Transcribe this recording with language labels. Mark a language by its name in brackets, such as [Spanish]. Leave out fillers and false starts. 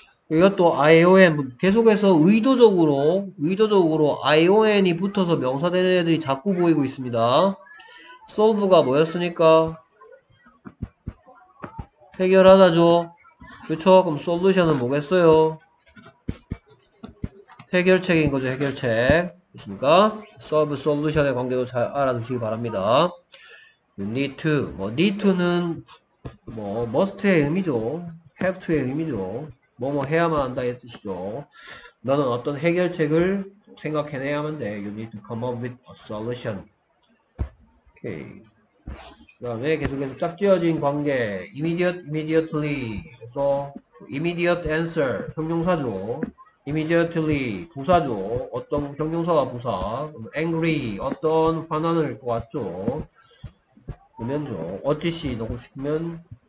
[Korean] 이것도 ION 계속해서 의도적으로 ION이 붙어서 명사되는 애들이 자꾸 보이고 있습니다 솔브가 뭐였으니까 해결하다죠 그쵸 그럼 솔루션은 뭐겠어요 해결책인 거죠 해결책 있습니까? Solve solution의 관계도 잘 알아두시기 바랍니다. [English] You need to. [Korean] 뭐, need to는 뭐, must의 의미죠. have to의 의미죠. 뭐뭐 해야만 한다의 뜻이죠. 너는 어떤 해결책을 생각해내야만 돼. [English] You need to come up with a solution. Okay. [Korean] 그 다음에 계속해서 짝지어진 관계. [English] immediately. 그래서 immediate answer. [Korean] 형용사죠. immediately 부사죠 어떤 형용사가 부사 angry 어떤 화난을 보았죠 보면죠 어찌시 넣고 싶으면